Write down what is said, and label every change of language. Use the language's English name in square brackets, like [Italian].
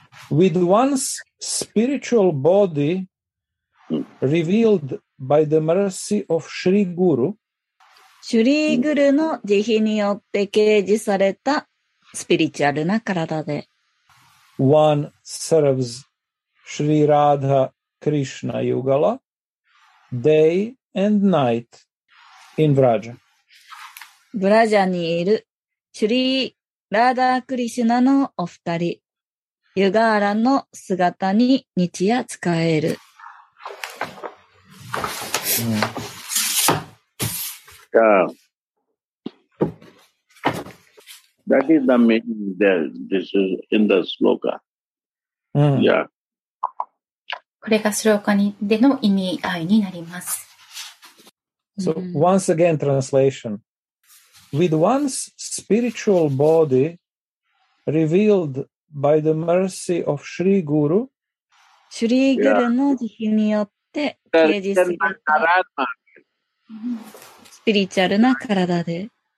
[English] With one's spiritual body revealed by the mercy of Sri Guru, [Japanese] シュリーグルの慈悲によって掲示されたスピリチュアルな体で。 [English] One serves Shri Radha Krishna Yugala day and night in Vraja. [Japanese] Vraja にいるシュリーラーダークリシュナのお二人、ユガーラの姿に日夜使える。 [English] That is the meaning that this is in the sloka. Yeah. [Japanese] これがスローカでの意味合いになります。 [English] So, once again, translation. With one's spiritual body revealed by the mercy of Shri Guru, [Japanese] シュリーグルの慈悲によって掲示する。スピリチュアルな体で。